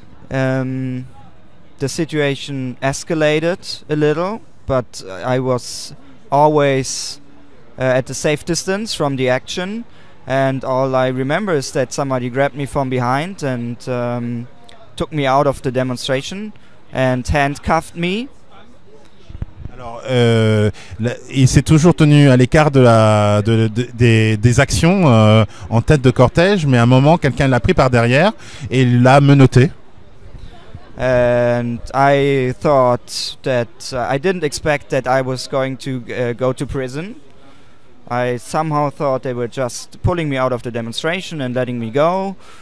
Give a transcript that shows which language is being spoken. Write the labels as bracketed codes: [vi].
[en] The situation escalated a little, but I was always at a safe distance from the action. And all I remember is that somebody grabbed me from behind and took me out of the demonstration and handcuffed me. [fr] Alors, il s'est toujours tenu à l'écart des actions en tête de cortège, mais à un moment, quelqu'un l'a pris par derrière et l'a menotté. [en] And I thought that I didn't expect that I was going to go to prison. I somehow thought they were just pulling me out of the demonstration and letting me go.